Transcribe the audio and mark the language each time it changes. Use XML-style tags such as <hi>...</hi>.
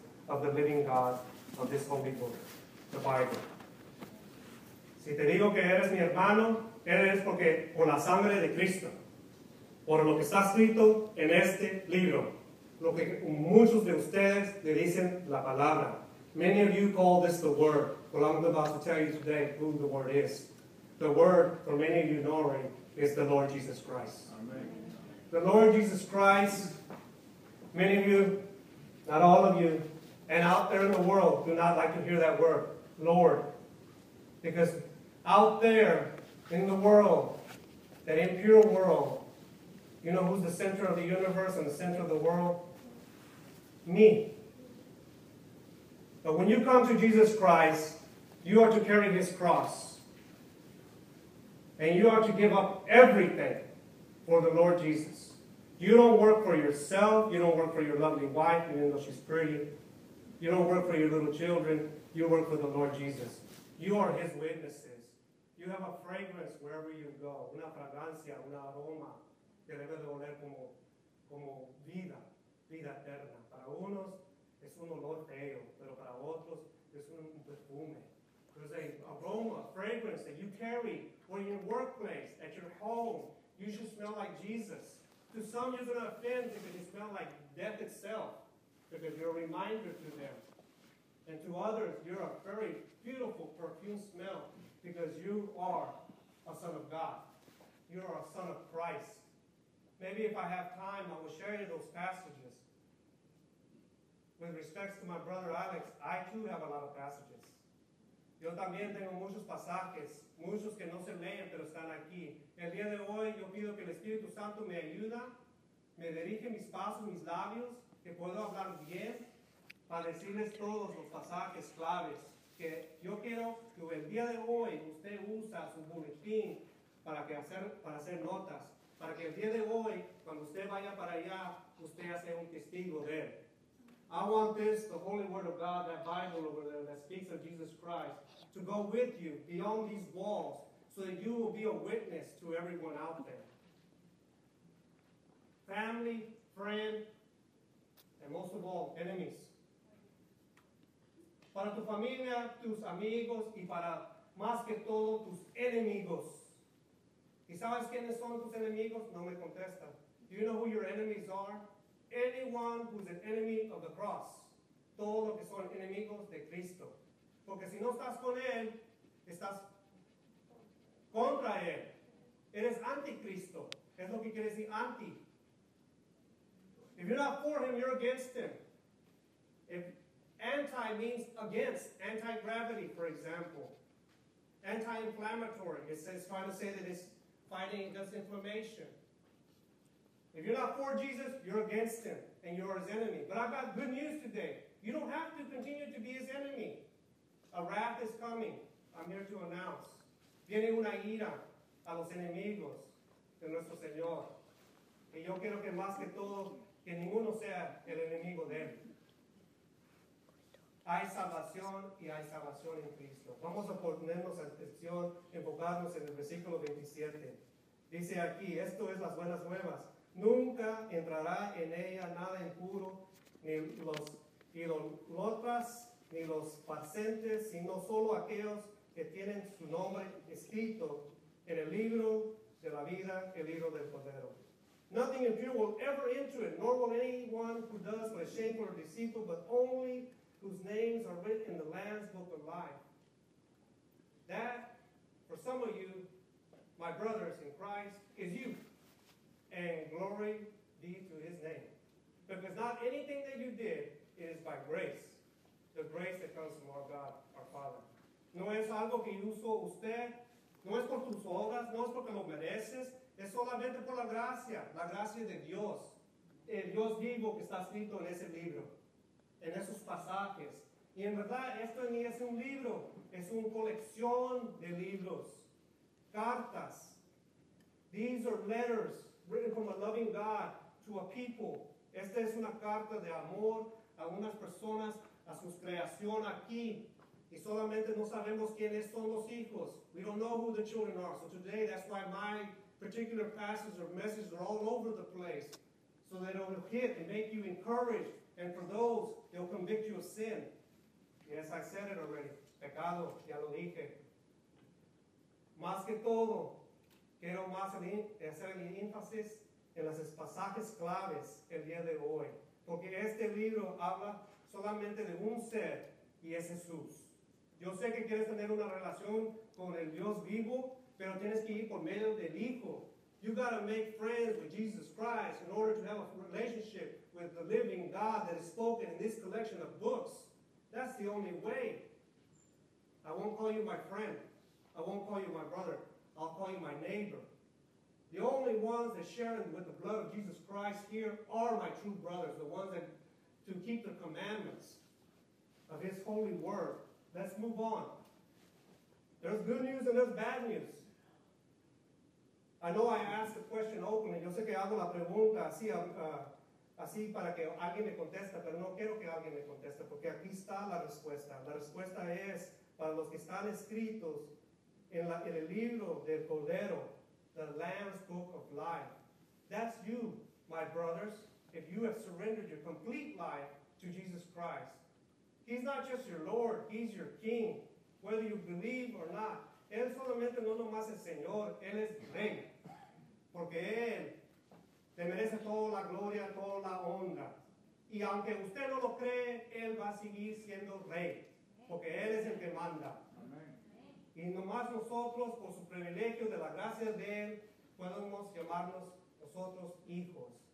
<en>of the living God, of this holy book, the Bible.</en> <es>Si te digo que eres mi hermano, eres porque por la sangre de Cristo, por lo que está escrito en este libro, lo que muchos de ustedes le dicen la palabra.</es> <en>Many of you call this the word. Well, I'm about to tell you today who the word is. The word, for many of you know already, is the Lord Jesus Christ. Amen. The Lord Jesus Christ, many of you, not all of you, and out there in the world do not like to hear that word, Lord. Because out there in the world, that impure world, you know who's the center of the universe and the center of the world? Me. But when you come to Jesus Christ, you are to carry his cross. And you are to give up everything for the Lord Jesus. You don't work for yourself. You don't work for your lovely wife, even though she's pretty. You don't work for your little children. You work for the Lord Jesus. You are his witnesses. You have a fragrance wherever you go.</en> <es>Una fragancia, una aroma que debe de oler como vida, vida eterna. Para unos es un olor feo, pero para otros es un perfume.</es> <en>There's an aroma, a fragrance that you carry for your workplace, at your home. You should smell like Jesus. To some, you're going to offend because you smell like death itself, because you're a reminder to them. And to others, you're a very beautiful perfume smell because you are a son of God. You are a son of Christ. Maybe if I have time, I will share you those passages. With respects to my brother Alex, I too have a lot of passages.</en> <es>Yo también tengo muchos pasajes, muchos que no se leen, pero están aquí. El día de hoy, yo pido que el Espíritu Santo me ayuda, me dirige mis pasos, mis labios, que puedo hablar bien, para decirles todos los pasajes claves. Que yo quiero que el día de hoy usted usa su boletín para hacer notas, para que el día de hoy, cuando usted vaya para allá, usted sea un testigo de él.</es> <en>I want this, the Holy Word of God, that Bible over there that speaks of Jesus Christ, to go with you beyond these walls so that you will be a witness to everyone out there. Family, friend, and most of all, enemies.</en> <es>Para tu familia, tus amigos, y para más que todo, tus enemigos. ¿Y sabes quiénes son tus enemigos? No me contesta.</es> <en>Do you know who your enemies are? Anyone who's an enemy of the cross.</en> <es>Todos los que son enemigos de Cristo. Porque si no estás con él, estás contra él. Eres anticristo. Es lo que quiere decir anti.</es> <en>If you're not for him, you're against him. If anti means against, anti-gravity, for example. Anti-inflammatory. It's trying to say that it's fighting against inflammation. If you're not for Jesus, you're against him, and you're his enemy. But I've got good news today. You don't have to continue to be his enemy. A wrath is coming. I'm here to announce.</en> <es>Viene una ira a los enemigos de nuestro Señor. Y yo quiero que más que todo, que ninguno sea el enemigo de él. Hay salvación y hay salvación en Cristo. Vamos a ponernos atención, enfocarnos en el versículo 27. Dice aquí, esto es las buenas nuevas. Nunca entrará en ella nada impuro, ni los idólatras, ni los falsantes, sino solo aquellos que tienen su nombre escrito en el libro de la vida, el libro del Cordero.</es> <en>Nothing impure will ever enter it, nor will anyone who does what is shameful or deceitful, but only whose names are written in the Lamb's book of life. That, for some of you, my brothers in Christ, is you. And glory be to his name. Because not anything that you did is by grace. The grace that comes from our God, our Father.</en> <es>No es algo que hizo usted. No es por tus obras. No es porque lo mereces. Es solamente por la gracia. La gracia de Dios. El Dios vivo que está escrito en ese libro. En esos pasajes. Y en verdad, esto ni es un libro. Es una colección de libros. Cartas.</es> <en>These are letters. Written from a loving God to a people.</en> <es>Esta es una carta de amor a unas personas, a sus creación aquí. Y solamente no sabemos quiénes son los hijos.</es> <en>We don't know who the children are. So today, that's why my particular passages or messages are all over the place. So that it will hit and make you encouraged. And for those, they'll convict you your sin. Yes, I said it already.</en> <es>Pecado, ya lo dije. Más que todo, quiero más hacer el énfasis en los pasajes claves el día de hoy. Porque este libro habla solamente de un ser, y es Jesús. Yo sé que quieres tener una relación con el Dios vivo, pero tienes que ir por medio del Hijo.</es> <en>You gotta make friends with Jesus Christ in order to have a relationship with the living God that is spoken in this collection of books. That's the only way. I won't call you my friend. I won't call you my brother. I'll call you my neighbor. The only ones that share with the blood of Jesus Christ here are my true brothers, the ones that to keep the commandments of His holy word. Let's move on. There's good news and there's bad news. I know I asked the question openly.</en> <es>Yo sé que hago la pregunta así, así para que alguien me conteste, pero no quiero que alguien me conteste, porque aquí está la respuesta. La respuesta es para los que están escritos en, en el libro del Cordero,</es> <en>the Lamb's Book of Life. That's you, my brothers, if you have surrendered your complete life to Jesus Christ. He's not just your Lord, He's your King, whether you believe or not.</en> <es>Él solamente no nomás es Señor, Él es Rey. Porque Él te merece toda la gloria, toda la honra. Y aunque usted no lo cree, Él va a seguir siendo Rey. Porque Él es el que manda. Amén. Y nomás nosotros, por su privilegio de la gracia de Él, podemos llamarnos nosotros hijos.</es>